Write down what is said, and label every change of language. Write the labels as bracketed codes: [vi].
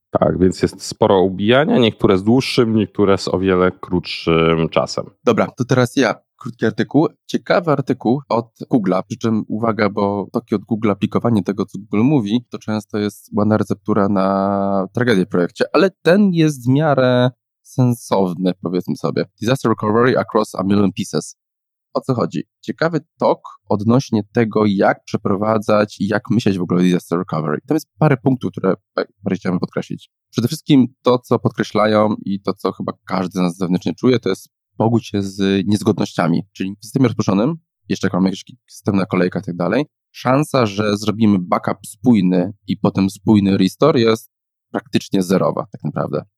[pl] Tak, więc jest sporo ubijania, niektóre z dłuższym, niektóre z o wiele krótszym czasem. Dobra, to teraz ja. krótki artykuł. Ciekawy artykuł od Google'a, przy czym uwaga, bo takie od Google aplikowanie tego, co Google mówi, to często jest ładna receptura na tragedię w projekcie, ale ten jest w miarę sensowny, powiedzmy sobie. [en] Disaster recovery across a million pieces. [pl] O co chodzi? Ciekawy talk odnośnie tego, jak przeprowadzać i jak myśleć w ogóle o disaster recovery. Tam jest parę punktów, które chciałem podkreślić. Przede wszystkim to, co podkreślają i to, co chyba każdy z nas zewnętrznie czuje, to jest pogódź się z niezgodnościami. Czyli w systemie rozproszonym, jeszcze jak mamy jakiś system na kolejkach i tak dalej, szansa, że zrobimy backup spójny i potem spójny restore jest praktycznie zerowa tak naprawdę.